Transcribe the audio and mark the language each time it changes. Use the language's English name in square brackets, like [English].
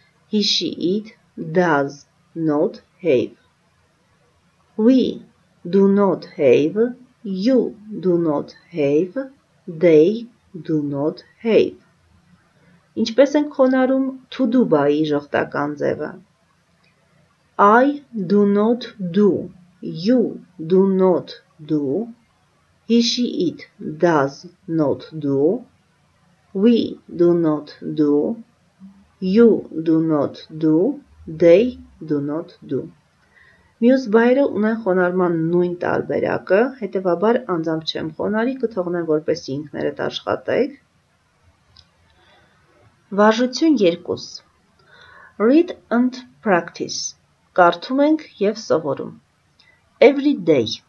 [English] He, she, it, does not have. We do not have. You do not have. They do not have. [Armenian] Ինչպես ենք խոնարում to do by-ի ժխտական ձևը. [English] I do not do. You do not do, he, she, it, does not do, we do not do, you do not do, they do not do. [Armenian] Մյուս բայրը ունեն խոնարհման նույն տարբերակը, հետևաբար անձամբ չեմ խոնարհի, կթողնեմ որպեսզի ինքներդ աշխատեք. [English] Վարժություն 2. Read and practice. [Armenian] Կարդում ենք և սովորում. [English] Every day.